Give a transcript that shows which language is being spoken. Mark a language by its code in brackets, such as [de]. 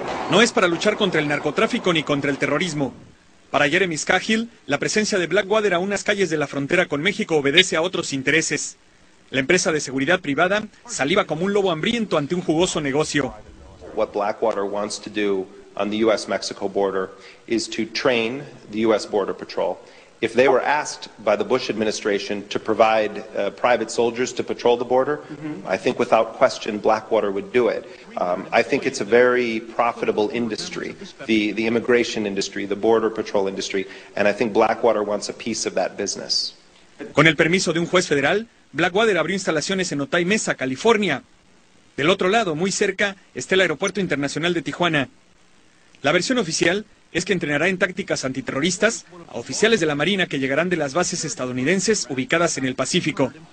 [es] No es para luchar contra el narcotráfico ni contra el terrorismo. Para Jeremy Scahill, la presencia de Blackwater a unas calles de la frontera con México obedece a otros intereses. La empresa de seguridad privada saliva como un lobo hambriento ante un jugoso negocio. [en] What Blackwater wants to do on the US-Mexico border is to train the US Border Patrol. If they were asked by the Bush administration to provide private soldiers to patrol the border, I think without question Blackwater would do it. I think it's a very profitable industry, the immigration industry, the border patrol industry, and I think Blackwater wants a piece of that business. [es] Con el permiso de un juez federal, Blackwater abrió instalaciones en Otay Mesa, California. Del otro lado, muy cerca, está el Aeropuerto Internacional de Tijuana. La versión oficial es que entrenará en tácticas antiterroristas a oficiales de la Marina que llegarán de las bases estadounidenses ubicadas en el Pacífico.